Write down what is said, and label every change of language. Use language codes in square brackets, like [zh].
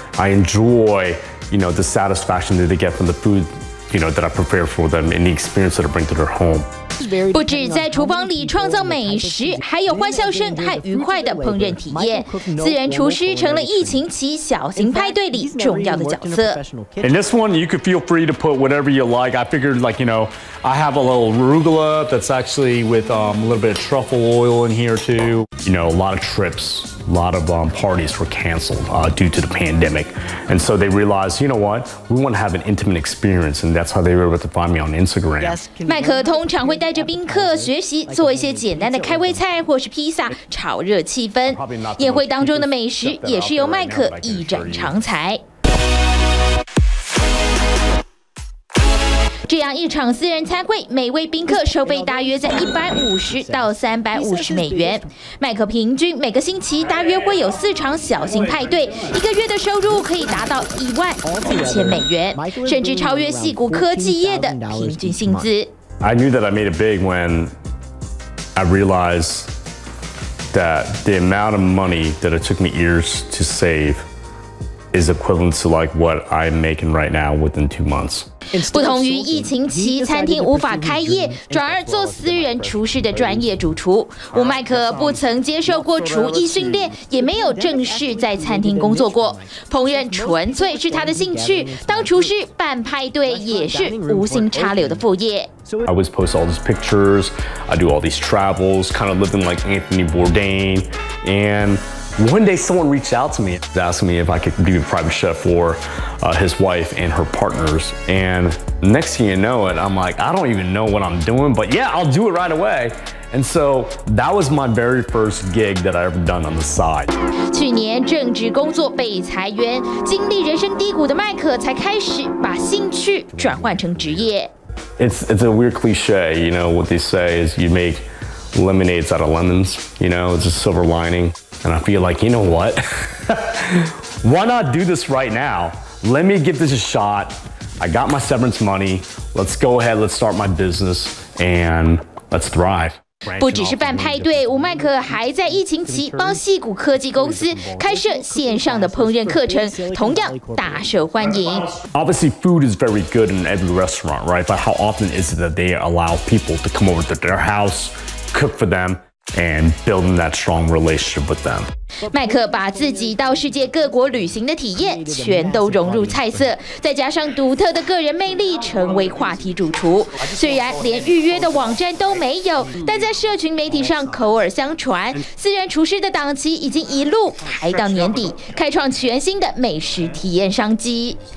[en] I enjoy, you know, the satisfaction that they get from the food, you know, that I prepare for them and the experience that I bring to their home. [zh] 不止在厨房里创造美食，还有欢笑声和愉快的烹饪体验。私人厨师成了疫情期小型派对里重要的角色。 [en] In this one, you could feel free to put whatever you like. I figured, like you know, I have a little arugula that's actually with a little bit of truffle oil in here too. You know, a lot of trips, a lot of parties were canceled due to the pandemic, and so they realized, you know what, we want to have an intimate experience, and that's how they were able to find me on Instagram. [zh] 麦克通常会带着宾客学习做一些简单的开胃菜或是披萨，炒热气氛。宴会当中的美食也是由麦克一展长才。这样一场私人餐会，每位宾客收费大约在150到350美元。麦克平均每个星期大约会有四场小型派对，一个月的收入可以达到14000美元，甚至超越矽谷科技业的平均薪资。 [en] I knew that I made it big when I realized that the amount of money that it took me years to save is equivalent to like what I'm making right now within 2 months. [zh] 不同于疫情期餐厅无法开业，转而做私人厨师的专业主厨。吴麦克不曾接受过厨艺训练，也没有正式在餐厅工作过，烹饪纯粹是他的兴趣，当厨师办派对也是无心插柳的副业。 [en] I always post all these pictures, I do all these travels, kind of living like Anthony Bourdain, and one day someone reached out to me, asking me if I could be a private chef for his wife and her partners. And next thing you know it, I'm like, I don't even know what I'm doing, but yeah, I'll do it right away. And so that was my very first gig that I ever done on the side. [zh] 去年正职工作被裁员，经历人生低谷的麦克才开始把兴趣转换成职业。 [en] It's a weird cliche, you know, what they say is you make lemonades out of lemons, you know, it's a silver lining. And I feel like, you know what? Why not do this right now? Let me give this a shot. I got my severance money. Let's go ahead, let's start my business and let's thrive. [zh] 不只是办派对，吴麦克还在疫情期帮矽谷科技公司开设线上的烹饪课程，同样大受欢迎。 [en] Obviously, food is very good in every restaurant, right? But how often is it that they allow people to come over to their house, cook for them? and building that strong relationship with them. [zh] 麦克把自己到世界各国旅行的体验全都融入菜色，再加上独特的个人魅力，成为话题主厨。虽然连预约的网站都没有，但在社群媒体上口耳相传，私人厨师的档期已经一路排到年底，开创全新的美食体验商机。